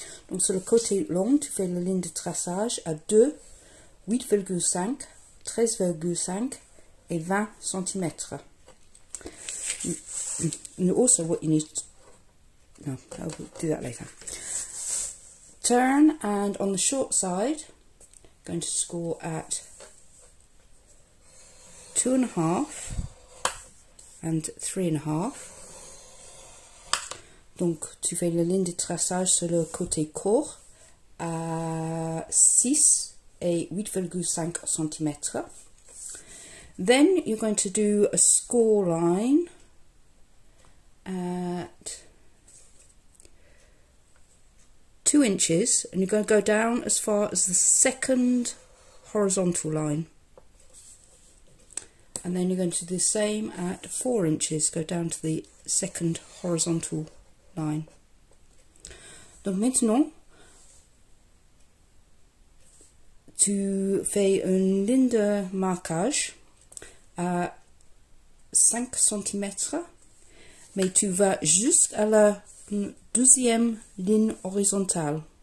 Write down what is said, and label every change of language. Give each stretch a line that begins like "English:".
French: Donc sur le côté long, tu fais la ligne de traçage à 2, 8.5, 13.5 et 20 centimètres.
English: And also what you need to, no, I'll do that later. Turn, and on the short side, going to score at 2.5 and 3.5.
French: Donc, tu fais la ligne de traçage sur le côté court à 6 et 8.5 centimètres.
English: Then you're going to do a score line at 2 inches, and you're going to go down as far as the second horizontal line, and then you're going to do the same at 4 inches, go down to the second horizontal line.
French: Donc maintenant tu fais un ligne de marquage à 5 centimètres. Mais tu vas jusqu'à la 12e ligne horizontale.